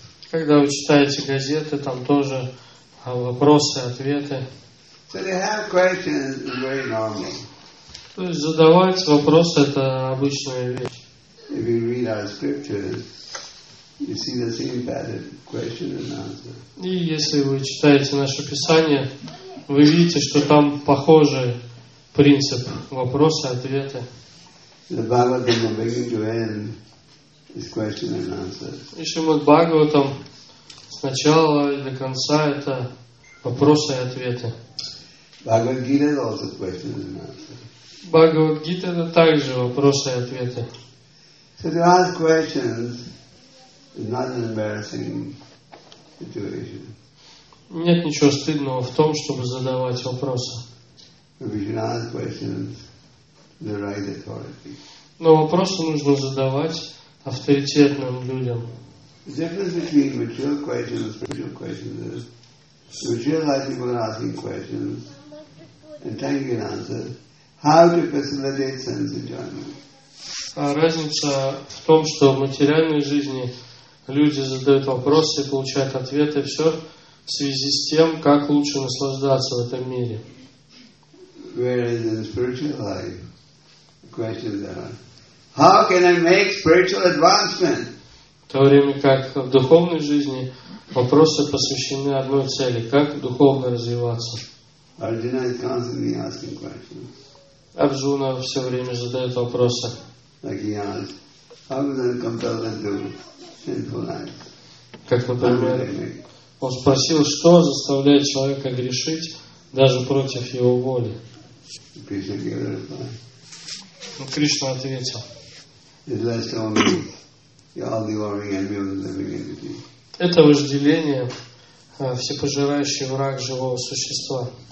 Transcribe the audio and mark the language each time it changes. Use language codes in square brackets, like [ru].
[ru] Когда вы читаете газеты, там тоже вопросы, ответы. То есть задавать вопросы – это обычная вещь. [en] You see the same pattern, question and answer. [ru] И если вы читаете наше Писание, вы видите, что там похожий принцип вопросы-ответы. [en] The Bhagavatam from beginning to end is question and answer. [ru] И Шримад Бхагаватам с начала и до конца это вопросы и ответы. [en] Bhagavad Gita is also question and answer. [ru] Bhagavad Gita это также вопросы и ответы. [en] So to ask questions. Not an embarrassing situation. [ru] Нет ничего стыдного в том, чтобы задавать вопросы. [en] We should ask questions to the right authority. [ru] Но вопросы нужно задавать авторитетным людям. [en] The difference between mature questions and spiritual questions is mature life people are asking questions and trying to get answers. How to facilitate sense enjoyment? [ru] А разница в том, что в материальной жизни люди задают вопросы и получают ответы, все в связи с тем, как лучше наслаждаться в этом мире. [en] Whereas in spiritual life, the questions are, how can I make spiritual advancement? [ru] В то время как в духовной жизни вопросы посвящены одной цели, как духовно развиваться. [en] Arjuna is constantly asking questions. [ru] Арджуна все время задает вопросы. [en] Like he asks, how can I compel them to [ru] Как, например, он спросил, что заставляет человека грешить даже против его воли. Кришна ответил. Это вожделение, всепожирающий враг живого существа.